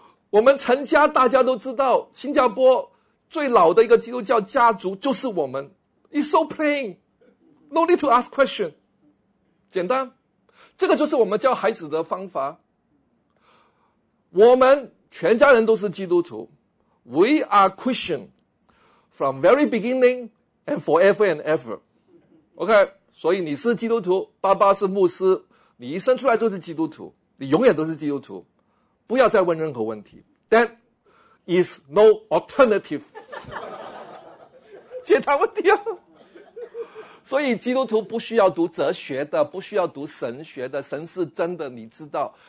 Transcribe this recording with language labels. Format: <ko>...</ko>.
<zh>我们陈家大家都知道，新加坡最老的一个基督教家族就是我们。</zh> <en>It's so plain. No need to ask question.</en> <zh>简单。这个就是我们教孩子的方法。我们全家人都是基督徒。</zh> <en>We are Christian from very beginning and forever and ever.</en> <zh>OK, 所以你是基督徒，爸爸是牧师，你一生出来就是基督徒，你永远都是基督徒。不要再问任何问题。</zh> <en>That is no alternative.</en> <zh>解答问题啊。所以基督徒不需要读哲学的，不需要读神学的，神是真的，你知道。</zh>